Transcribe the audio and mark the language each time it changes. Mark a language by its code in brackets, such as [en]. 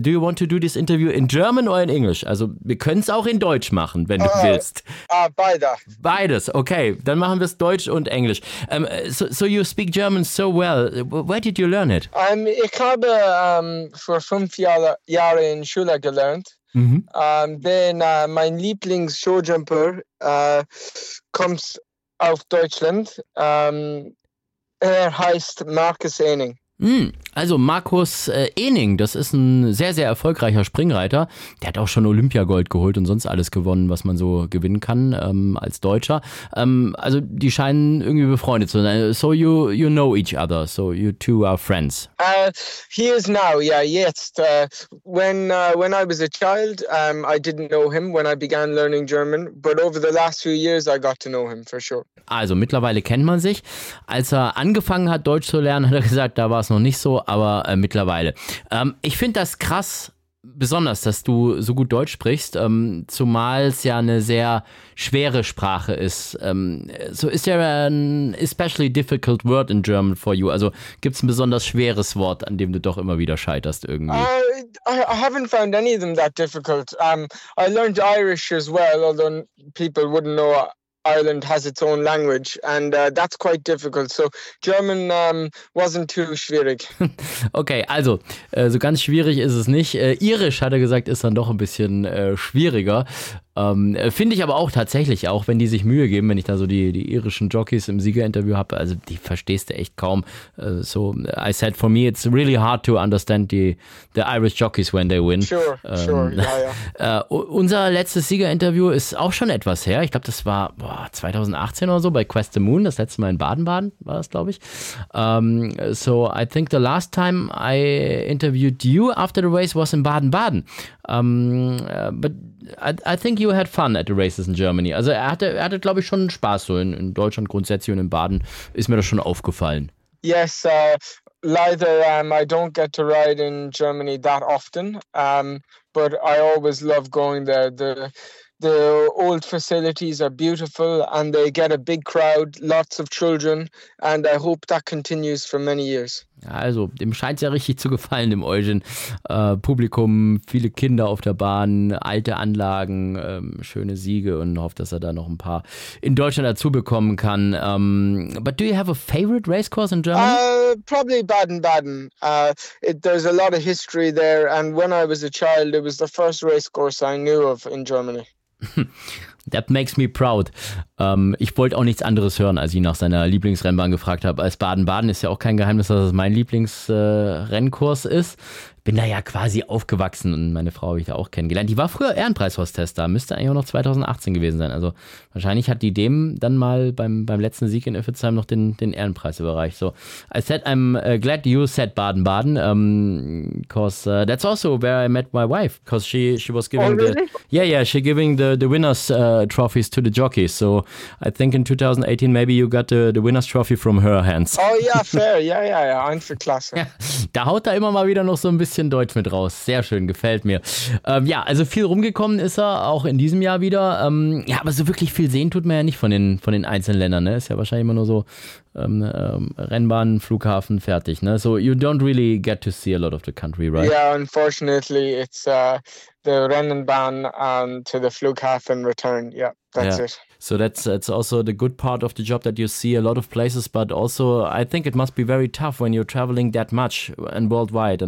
[en] Do you want to do this interview in German or in English? [de] Also wir können es auch in Deutsch machen, wenn du willst. Beides. Okay, dann machen wir es Deutsch und Englisch. [en] So you speak German so well. Where did you learn it? [de] Ich habe vor 5 Jahre in Schule gelernt. Mein Lieblings-Showjumper kommt auf Deutschland. Er heißt Markus Ening. Also Markus Ening, das ist ein sehr, sehr erfolgreicher Springreiter. Der hat auch schon Olympiagold geholt und sonst alles gewonnen, was man so gewinnen kann als Deutscher. Also die scheinen irgendwie befreundet zu sein. [en] So you know each other. So you two are friends. He is now, yeah, jetzt. When I was a child, I didn't know him when I began learning German. But over the last few years, I got to know him for sure. [de] Also mittlerweile kennt man sich. Als er angefangen hat, Deutsch zu lernen, hat er gesagt, da war es noch nicht so. Aber mittlerweile. Ich finde das krass, besonders, dass du so gut Deutsch sprichst, zumal es ja eine sehr schwere Sprache ist. [en] So, is there an especially difficult word in German for you? [de] Also gibt es ein besonders schweres Wort, an dem du doch immer wieder scheiterst irgendwie? [en] I haven't found any of them that difficult. I learned Irish as well, although people wouldn't know Ireland has its own language, and that's quite difficult. So German wasn't too schwierig. [de] Okay, also so ganz schwierig ist es nicht. Irisch, hat er gesagt, ist dann doch ein bisschen schwieriger. Finde ich aber auch tatsächlich, auch wenn die sich Mühe geben, wenn ich da so die irischen Jockeys im Siegerinterview habe, also die verstehst du echt kaum. [en] So, I said, for me it's really hard to understand the Irish jockeys when they win. Sure, sure, ja. [de] Unser letztes Siegerinterview ist auch schon etwas her. Ich glaube, das war 2018 oder so bei Quest the Moon, das letzte Mal in Baden-Baden war das, glaube ich. [en] So, I think the last time I interviewed you after the race was in Baden-Baden. But I think you had fun at the races in Germany. [de] Also er hatte glaube ich schon Spaß so in Deutschland grundsätzlich und in Baden ist mir das schon aufgefallen. [en] Yes, leider I don't get to ride in Germany that often. But I always love going there. The old facilities are beautiful and they get a big crowd, lots of children, and I hope that continues for many years. [de] Also, dem scheint es ja richtig zu gefallen, dem Eugen. Publikum, viele Kinder auf der Bahn, alte Anlagen, schöne Siege und hofft, dass er da noch ein paar in Deutschland dazu bekommen kann. [en] But do you have a favorite race course in Germany? Probably Baden-Baden. There's a lot of history there and when I was a child, it was the first race course I knew of in Germany. That makes me proud. [de] Ich wollte auch nichts anderes hören, als ich nach seiner Lieblingsrennbahn gefragt habe. Als Baden-Baden ist ja auch kein Geheimnis, dass es mein Lieblingsrennkurs ist. Bin da ja quasi aufgewachsen und meine Frau habe ich da auch kennengelernt. Die war früher Ehrenpreis-Hostess da, müsste eigentlich auch noch 2018 gewesen sein. Also wahrscheinlich hat die dem dann mal beim letzten Sieg in Iffezheim noch den Ehrenpreis überreicht. [en] So, I said I'm glad you said Baden-Baden, because that's also where I met my wife, because she was giving the winners trophies to the jockeys. So I think in 2018 maybe you got the winners trophy from her hands. Oh yeah, fair, yeah, Einzelklasse. [de] Da haut er immer mal wieder noch so ein bisschen Deutsch mit raus. Sehr schön, gefällt mir. Ja, also viel rumgekommen ist er, auch in diesem Jahr wieder. Ja, aber so wirklich viel sehen tut man ja nicht von den einzelnen Ländern. Ne? Ist ja wahrscheinlich immer nur so Rennbahn, Flughafen, fertig. Ne? [en] So you don't really get to see a lot of the country, right? Yeah, unfortunately it's the Rennbahn to the Flughafen return. Yeah, that's it. So that's also the good part of the job that you see a lot of places, but also I think it must be very tough when you're traveling that much and worldwide.